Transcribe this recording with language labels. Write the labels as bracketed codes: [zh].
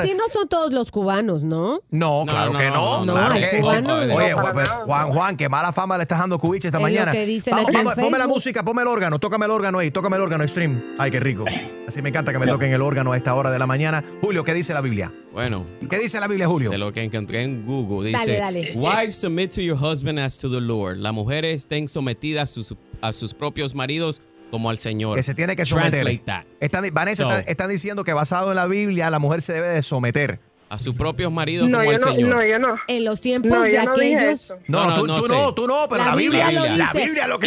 [es] Y así no son todos los cubanos, ¿no? No, claro que no. Oye, Juan, qué mala fama le estás dando a Cubiche esta mañana. Ponme la música, ponme el órgano, tócame el órgano, stream. Ay, qué rico. Así me encanta que me toquen el órgano a esta hora de la mañana. Julio, ¿qué dice la Biblia? Bueno. ¿Qué dice la Biblia, Julio? De lo que encontré en Google. Dice, dale. [en] Wives, submit to your husband as to the Lord. [es] Las mujeres estén sometidas a sus propios maridos como al Señor. Que se tiene que someter. [en] Translate that. [es] Están diciendo que basado en la Biblia, la mujer se debe de someter a sus propios maridos como al Señor. No, yo no. En los tiempos de aquellos. No, tú no, pero la Biblia lo que